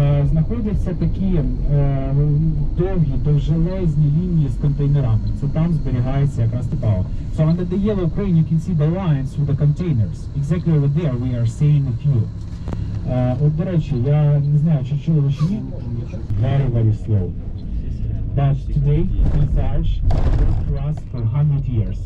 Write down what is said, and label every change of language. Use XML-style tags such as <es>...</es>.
<uk>Знаходяться такі довгі, довжелезні лінії з контейнерами. Це там зберігається якраз типа.</uk> <en>So on the yellow crane you can see the lines with the containers. Exactly over there we are seeing a few.</en> <uk>От, до речі, я не знаю, чи чули чи ні.</uk> <en>Very, very slow. But today, this arch worked for us for 100 years.</en>